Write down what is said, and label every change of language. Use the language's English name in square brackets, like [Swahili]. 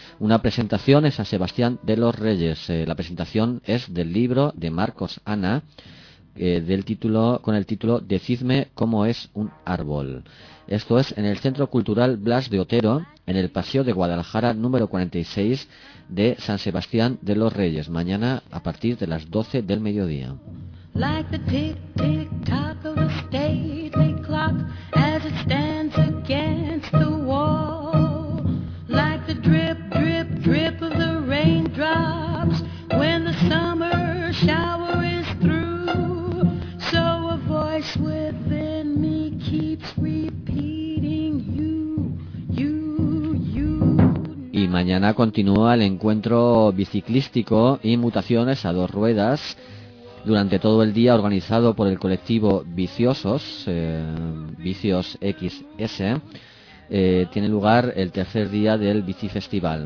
[Spanish] Una presentación es a Sebastián de los Reyes. La presentación es del libro de Marcos Ana, con el título Decidme cómo es un árbol. Esto es en el Centro Cultural Blas de Otero, en el Paseo de Guadalajara número 46 de San Sebastián de los Reyes, mañana a partir de las 12 del mediodía. [English] Like the tick-tick-tock of a stately clock as it stands against the wall. Like the drip-drip-drip of the raindrops when the summer shower is through. So a voice within me keeps repeating you, you, you. [Spanish] Y mañana continúa el encuentro biciclístico y mutaciones a dos ruedas. Durante todo el día organizado por el colectivo Viciosos, Vicios XS, tiene lugar el tercer día del Bicifestival.